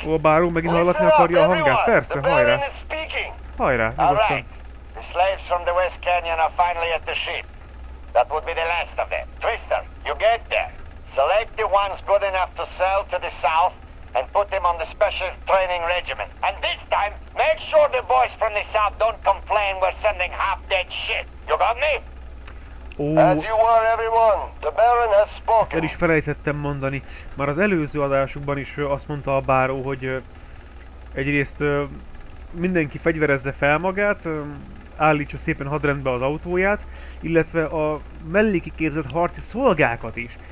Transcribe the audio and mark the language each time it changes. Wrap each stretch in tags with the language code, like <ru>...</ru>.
<hu>Ó, báró megint hallatni akarja a hangát, persze, hajrá! Hajrá, nyugodtan!</hu> <en>The slaves from the West Canyon are finally at the ship. That would be the last of them. Twister, you get there. Select the ones good enough to sell to the south and put them on the special training regiment. And this time, make sure the boys from the south don't complain we're sending half-dead shit. You got me? Oh. As you were, everyone. The Baron has spoken.</en> <hu>Ezt el is felejtettem mondani. Már az előző adásukban is azt mondta a báró, hogy egyrészt mindenki fegyverezze fel magát, állítsa szépen hadrendbe az autóját, illetve a melléki képzett harci szolgákat is.</hu>